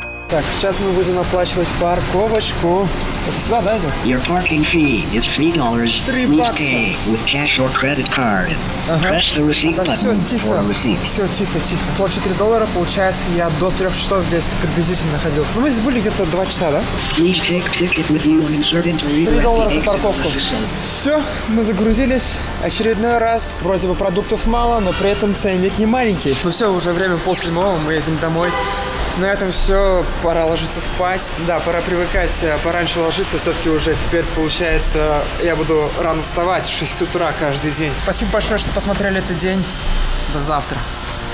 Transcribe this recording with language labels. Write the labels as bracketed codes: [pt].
[ru] Так, сейчас мы будем оплачивать парковочку. Это сюда, да, Азер? [en] Your parking fee is $3. $3. Please pay with cash or credit card. [ru] Ага. [en] Press the receipt button. [ru] Все, тихо. Плачу $3, получается, я до 3 часов здесь приблизительно находился. Ну, мы здесь были где-то 2 часа, да? [en] Please take ticket with you and insert interview. [ru] $3 за парковку. Все, мы загрузились. Очередной раз. Вроде бы продуктов мало, но при этом ценник не маленький. Ну все, уже время 6:30, мы едем домой. На этом все, пора ложиться спать. Да, пора привыкать, пораньше ложиться. Все-таки уже теперь получается, я буду рано вставать, 6 утра каждый день. Спасибо большое, что посмотрели этот день. До завтра.